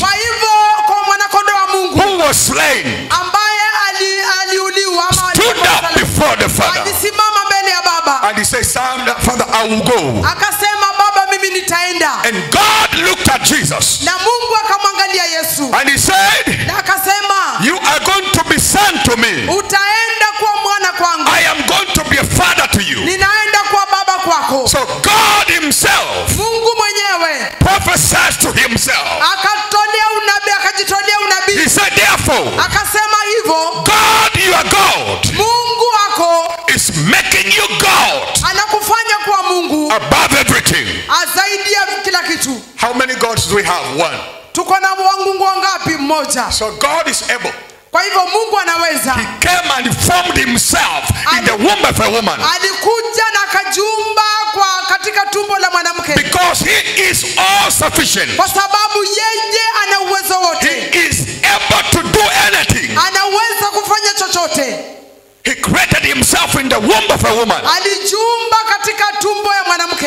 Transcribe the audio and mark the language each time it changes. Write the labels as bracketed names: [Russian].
[Swahili] Kwa hivyo kwa mwana kondoo wa Mungu. [English] Who was slain. [Swahili] Ambaye aliuliwa. [English] Stood up before the Father. [Swahili] Alisimama mbele ya Baba. [English] And he said, Son, Father, I will go. [Swahili] Akasema Baba mimi nitaenda. [English] And God looked at Jesus. [Swahili] Na Mungu akamwangalia Yesu. [English] And he said. [Swahili] Na akasema. [English] You are going to be son to me. [Swahili] Utaenda kuwa mwana kwangu. [English] I am going to be a father to you. [Swahili] Ninaenda kuwa baba kwako. [English] So God himself. [Swahili] Mungu mwenyewe. [English] Prophesied to himself. [Swahili] Akatolea unabii, akajitolea unabii. [English] He said therefore. [Swahili] Akasema hivyo. [English] God, you are God. [Swahili] Mungu wako. [English] Is making you God. [Swahili] Anakufanya kuwa Mungu. [English] Above everything. [Swahili] Zaidi ya kila kitu. [English] How many gods do we have? One. [Swahili] Tuko na Mungu wangapi? Mmoja. [English] So God is able. [Swahili] Kwa hivyo Mungu anaweza. [English] He came and formed himself in the womb of a woman. [Swahili] Alikuja na kajumba kwa katika tumbo la mwanamke. [English] Because he is all sufficient. [Swahili] Kwa sababu yeye ana uwezo wote. [English] He is able to do anything. [Swahili] Anaweza kufanya chochote. [English] He created himself in the womb of a woman. [Swahili] Alijumba katika tumbo ya mwanamke.